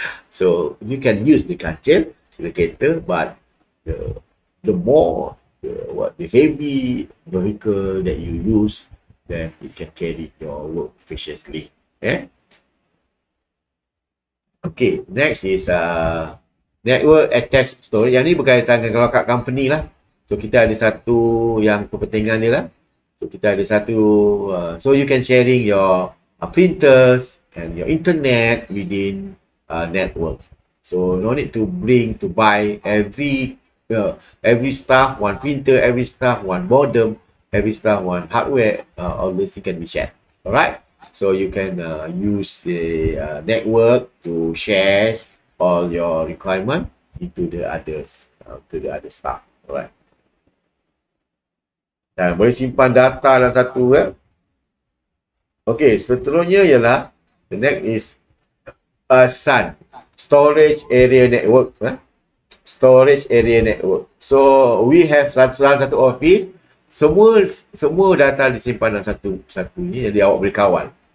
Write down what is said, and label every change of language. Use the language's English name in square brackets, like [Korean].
[English] So you can use the kancil, the kereta, but the more the heavy vehicle that you use, then it can carry your work efficiently. Eh? Okay, next is network attached storage. [Malay] Yang ni berkaitan dengan kalau kat company lah. So kita ada satu yang kepentingan dia lah. [English] So kita ada satu, so you can sharing your printers and your internet within network. So no need to bring to buy every staff one printer, every staff one modem, every staff one hardware, all this can be shared. Alright? So you can use the network to share all your requirement into the others, to the other staff, alright. [Malay] Dan boleh simpan data dalam satu web. Okay, seterusnya ialah the next is SAN, storage area network. Storage area network. So we have satu office, semua data disimpan dalam satu ni, jadi awak boleh kawal.